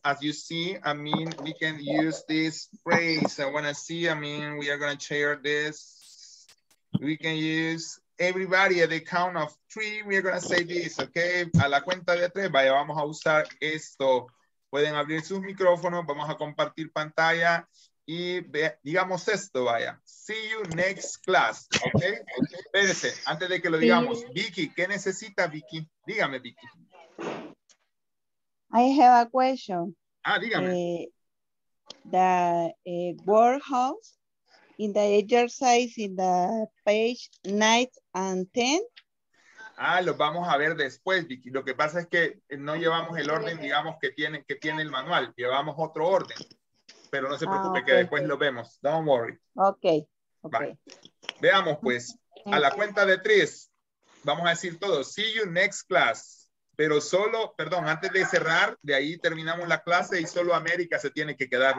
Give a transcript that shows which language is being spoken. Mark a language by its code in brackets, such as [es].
[en] As you see, I mean, we can use this phrase. We are going to share this. We can use everybody at the count of 3. We are going to say this, okay? [es] A la cuenta de 3, vaya, vamos a usar esto. Pueden abrir sus micrófonos. Vamos a compartir pantalla. y ve, digamos esto, vaya. [en] See you next class, [es] ¿ok? Espérense, antes de que lo digamos. Vicky, ¿qué necesita Vicky? Dígame, Vicky. [en] I have a question. [es] Ah, dígame. [en] The warehouse in the exercise in the page 9 and 10. [es] Ah, lo vamos a ver después, Vicky. Lo que pasa es que no llevamos el orden, digamos, que tiene el manual. Llevamos otro orden. Pero no se preocupe, que después lo vemos. [en] Don't worry. Okay. [es] Veamos, pues, a la cuenta de tres, vamos a decir todo. [en] See you next class. [es] Pero solo, perdón, antes de cerrar, de ahí terminamos la clase y solo América se tiene que quedar.